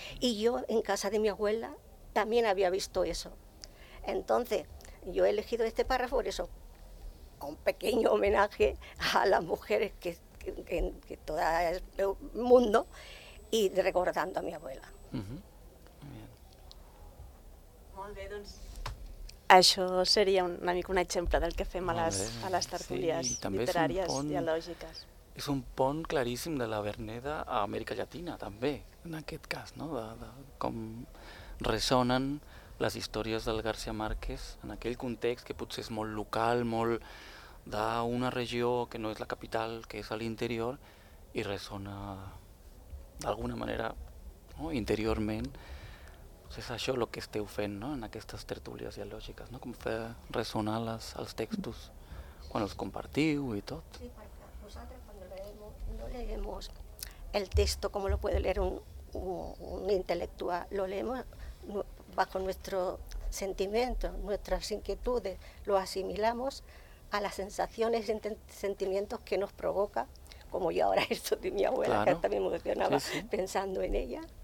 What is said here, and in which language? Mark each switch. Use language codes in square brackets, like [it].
[es] Y yo en casa de mi abuela también había visto eso. Entonces yo he elegido este párrafo por eso, un pequeño homenaje a las mujeres que... En todo el mundo y recordando a mi abuela. [ca] Molt bé, doncs això seria una mica un exemple del que fem a les tertúlies, sí, literàries, pont, dialògiques. És un pont claríssim de la Verneda a Amèrica Llatina, també, en aquest cas, no? De com ressonen les històries del García Márquez en aquell context que potser és molt local, molt... d'una regió que no és la capital, que és a l'interior, i ressona d'alguna manera, no?, interiorment. Pues és això el que esteu fent, no?, en aquestes tertúlies dialògiques, no?, com fer ressonar els textos quan els compartiu i tot. [es] Sí, [ca] vosaltres quan [es] leemos el texto como lo puede leer un intelectual, lo leemos bajo nuestro sentimiento, nuestras inquietudes, lo asimilamos a las sensaciones y sentimientos que nos provoca, como yo ahora esto de mi abuela, claro, que hasta me emocionaba, sí, sí, pensando en ella.